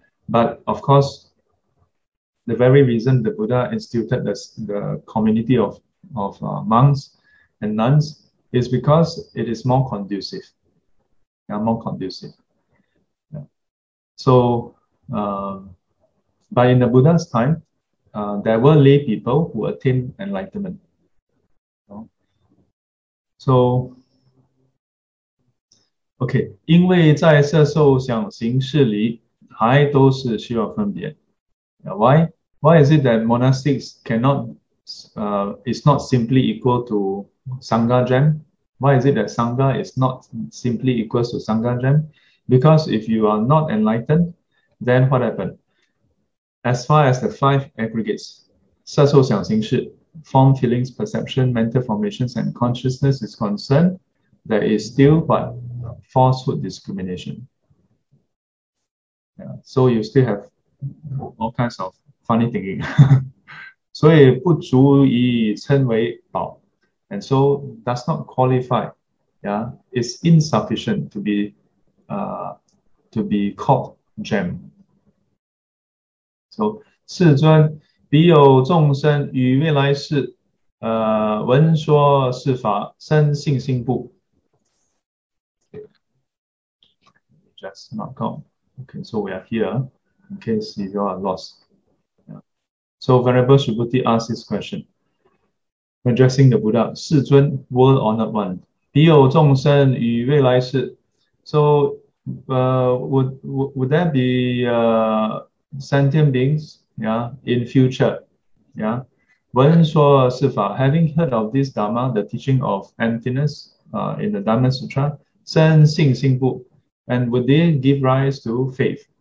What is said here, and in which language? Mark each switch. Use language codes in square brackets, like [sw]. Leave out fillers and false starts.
[en] But of course, the very reason the Buddha instituted the community of monks and nuns is because it is more conducive. Yeah, more conducive. So, but in the Buddha's time, There were lay people who attained enlightenment. [zh] So, okay, 因为在色受想行识里, 还都是需要分别. [en] Why? Why is it that monastics cannot, is not simply equal to Sangha Jam? Why is it that Sangha is not simply equal to Sangha Jam? Because if you are not enlightened, then what happened? As far as the five aggregates, [zh] 色受想行识, [en] form, feelings, perception, mental formations, and consciousness is concerned, there is still but falsehood discrimination. Yeah, so you still have all kinds of funny thinking. [zh] 所以不足以称为宝, [en] and so does not qualify. Yeah, it's insufficient to be called gem. [zh] So 世尊, 彼有众生于未来世。闻说是法，生信心不？ [en] Just not gone. Okay, so we are here in case you are lost. So Venerable Subhuti asked this question, addressing the Buddha. [zh] 世尊， [en] World-Honored One, [zh] 彼有众生于未来世。 [en] So, would there be sentient beings, in future, When Sua Sifa, having heard of this Dharma, the teaching of emptiness in the Dharma Sutra, San Sing Sing Bu, and would they give rise to faith?